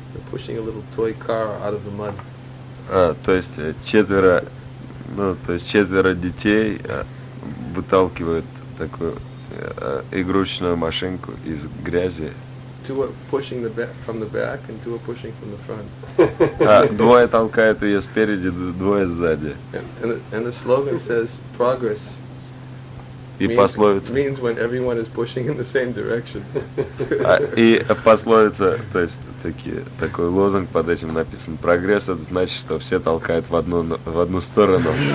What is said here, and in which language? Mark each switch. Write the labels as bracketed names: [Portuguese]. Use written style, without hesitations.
[English] pushing a little toy car out of the mud. [Russian] То есть четверо детей выталкивают такую игрушечную машинку из грязи. [English] Two are pushing from the back and two are pushing from the front. [Russian] Двое толкают ее спереди, двое сзади. [English] And the slogan says progress. [Russian] И пословица. [English] Means when everyone is pushing in the same direction. [Russian] И пословица, то есть такой лозунг под этим написан. Прогресс, это значит, что все толкают в одну сторону.